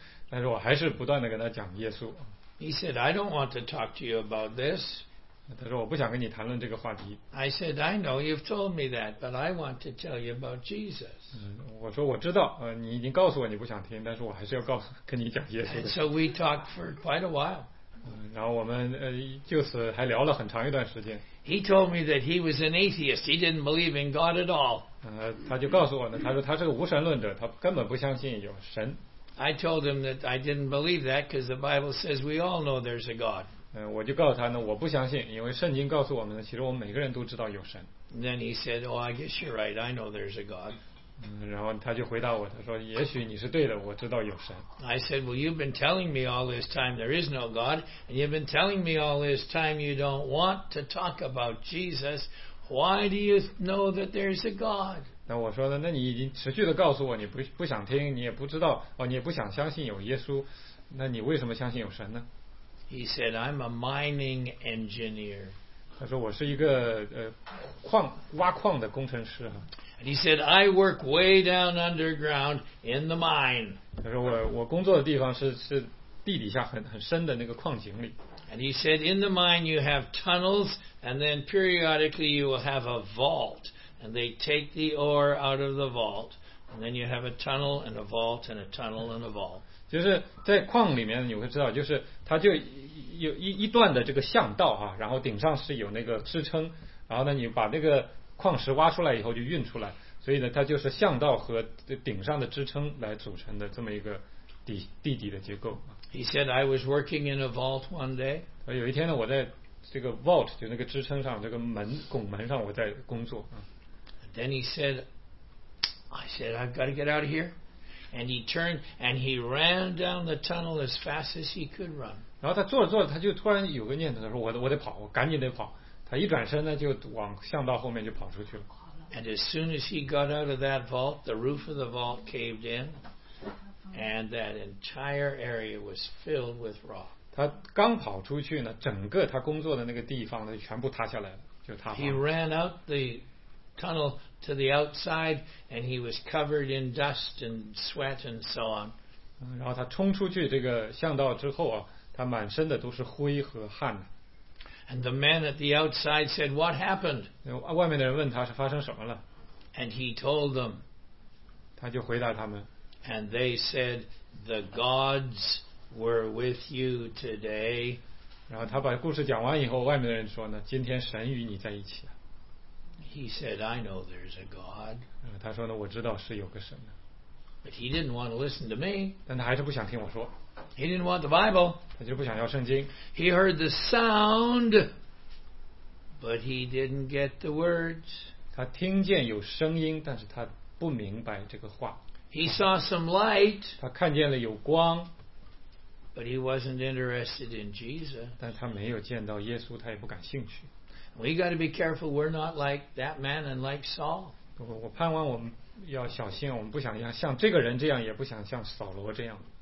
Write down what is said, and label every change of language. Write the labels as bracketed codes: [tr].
[zh] 但是我还是不断的跟他讲耶稣。 [en] He said, I don't want to talk to you about this. [zh] 他说我不想跟你谈论这个话题。 [en] I said, I know you've told me that, but I want to tell you about Jesus. [zh] 我说我知道，你已经告诉我你不想听，但是我还是要告诉跟你讲耶稣。 [en] And so we talked for quite a while. [zh] 然后我们就此还聊了很长一段时间。 [en] He told me that he was an atheist. He didn't believe in God at all. [zh] 他就告诉我呢，他说他是个无神论者，他根本不相信有神。 [en] I told him that I didn't believe that because the Bible says we all know there's a God. [zh] 我就告诉他呢，我不相信，因为圣经告诉我们呢，其实我们每个人都知道有神。 [en] Then he said, "Oh, I guess you're right. I know there's a God." [zh] 然后他就回答我，他说，也许你是对的，我知道有神。 [en] I said, "Well, you've been telling me all this time there is no God, and you've been telling me all this time you don't want to talk about Jesus. Why do you know that there's a God?" [zh] 那我说呢，那你已经持续的告诉我，你不想听，你也不知道，你也不想相信有耶稣，那你为什么相信有神呢？ [en] He said, I'm a mining engineer. [zh] 他说我是一个挖矿的工程师。 [en] And he said, I work way down underground in the mine. [zh] 他说我工作的地方是地底下很深的那个矿井里。 [en] And he said, in the mine you have tunnels, and then periodically you will have a vault. And they take the ore out of the vault, and then you have a tunnel and a vault and a tunnel and a vault. [zh] 就是在矿里面你会知道，就是它就有一段的这个巷道啊，然后顶上是有那个支撑，然后呢你把那个矿石挖出来以后就运出来，所以呢它就是巷道和顶上的支撑来组成的这么一个地底的结构。 [en] He said I was working in a vault one day. [zh] 有一天呢，我在这个 vault 就那个支撑上，这个门拱门上我在工作啊。 [en] Then he said, I said, I've got to get out of here. And he turned and he ran down the tunnel as fast as he could run. [zh] 然后他坐着坐着，他就突然有个念头，他说我得跑，我赶紧得跑。他一转身呢，就往巷道后面就跑出去了。 [en] And as soon as he got out of that vault, the roof of the vault caved in, and that entire area was filled with rock. [zh] 他刚跑出去呢，整个他工作的那个地方呢，全部塌下来了，就塌了。 [en] He ran out the tunnel to the outside, and he was covered in dust and sweat and so on. [zh] 然后他冲出去这个巷道之后啊，他满身的都是灰和汗。 [en] And the man at the outside said, "What happened?" [zh] 外面的人问他是发生什么了。 [en] And he told them. [zh] 他就回答他们。 [en] And they said, "The gods were with you today." [zh] 然后他把故事讲完以后，外面的人说呢，今天神与你在一起。 [en] He said, I know there's a God. [zh] 他说呢，我知道是有个神的。 [en] But he didn't want to listen to me. [zh] 但他还是不想听我说。 [en] He didn't want the Bible. [zh] 他就不想要圣经。 [en] He heard the sound, but he didn't get the words. [zh] 他听见有声音，但是他不明白这个话。 [en] He saw some light. [zh] 他看见了有光。 [en] But he wasn't interested in Jesus. [zh] 但他没有见到耶稣，他也不感兴趣。 [en] We got to be careful. We're not like that man and like Saul. [zh] 我盼望我们要小心，我们不想像这个人这样，也不想像扫罗这样。